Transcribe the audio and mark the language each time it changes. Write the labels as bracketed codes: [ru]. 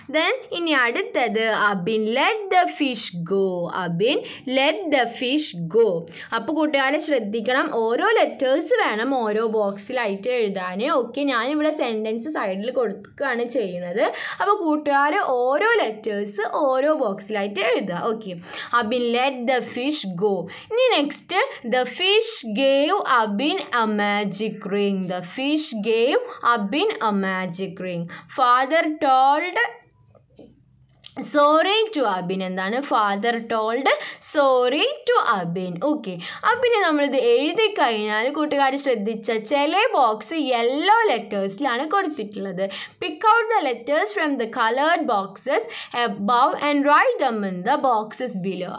[en] then [ml] ഇനി അടുത്തത്, [en] Abin let the fish go, Abin let the fish go. [ml] അപ്പോൾ കൂട്ടുകാരെ ശ്രദ്ധിക്കണം, ഓരോ ലെറ്റേഴ്സ് വേണം ഓരോ ബോക്സിലായിട്ട് എഴുതാൻ. ഓക്കെ, ഞാനിവിടെ സെൻറ്റൻസ് സൈഡിൽ കൊടുക്കുകയാണ് ചെയ്യുന്നത്. അപ്പോൾ കൂട്ടുകാരെ ഓരോ ലെറ്റേഴ്സ് ഓരോ ബോക്സിലായിട്ട് എഴുതുക. [en] Okay, Abin let the fish go. ഇനി next, The fish gave Abin a magic ring. The fish gave Abin a magic ring. Father told sorry to Abin, എന്താണ്, father told sorry to Abin. [ml] Okay, അബിനെ നമ്മളിത് എഴുതി കഴിഞ്ഞാൽ കൂട്ടുകാർ ശ്രദ്ധിച്ച ചില ബോക്സ് യെല്ലോ ലെറ്റേഴ്സിലാണ് കൊടുത്തിട്ടുള്ളത്. [en] Pick out the letters from the coloured boxes above and write them in the boxes below.